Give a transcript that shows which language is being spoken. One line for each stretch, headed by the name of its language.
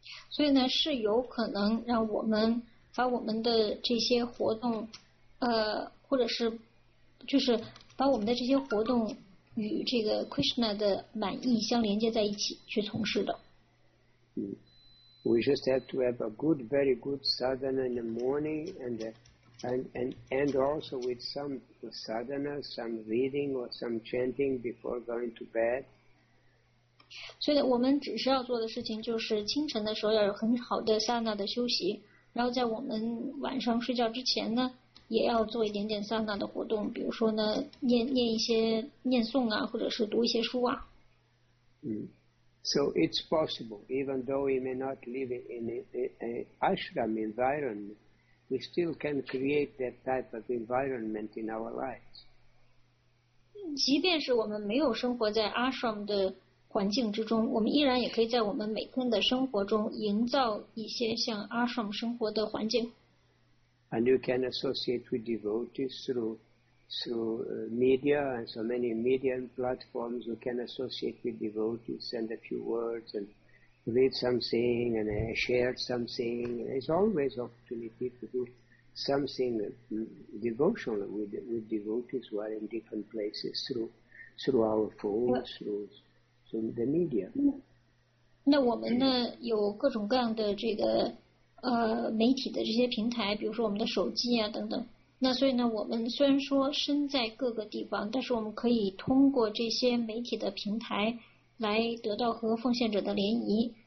Chinese: 所以呢，是有可能让我们。把我们的这些活动，或者是，就是把我们的这些活动与这个 Krishna 的满意相连接在一起去从事的。
English: We just have to have a good, very good sadhana in the morning, and also with some sadhana, some reading or some chanting before going to bed.
Chinese: 所以我们只需要做的事情就是清晨的时候要有很好的 sadhana 的休息。然后在我们晚上睡觉之前呢，也要做一点点萨那的活动，比如说呢，念一些念诵啊，或者是读一些书啊。
English: So it's possible, even though we may not live in an ashram environment, we still can create that type of environment in our lives.
Chinese: 即便是我们没有生活在 ashram 的环境之中，我们依然也可以在我们每天的生活中营造一些像阿什姆生活的环境。
English: And you can associate with devotees through media and so many media platforms. You can associate with devotees, send a few words and read something and share something. There's always opportunity to do something devotional with devotees who are in different places through our phones, through the media.
Chinese: 那我们呢有各种各样的这个媒体的这些平台，比如说我们的手机啊等等。那所以呢，我们虽然说身在各个地方，但是我们可以通过这些媒体的平台来得到和奉献者的联谊。